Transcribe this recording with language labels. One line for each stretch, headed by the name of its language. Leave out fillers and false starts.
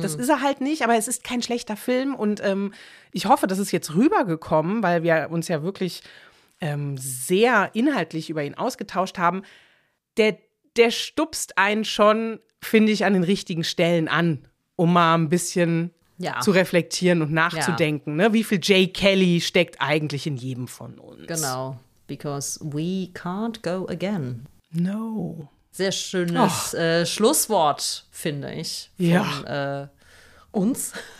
German: Das ist er halt nicht, aber es ist kein schlechter Film und ich hoffe, das ist jetzt rübergekommen, weil wir uns ja wirklich sehr inhaltlich über ihn ausgetauscht haben. Der stupst einen schon, finde ich, an den richtigen Stellen an, um mal ein bisschen zu reflektieren und nachzudenken. Ja. Ne? Wie viel Jay Kelly steckt eigentlich in jedem von uns? Genau,
English: because we can't go again. No.
German: Sehr schönes Schlusswort, finde ich, von uns.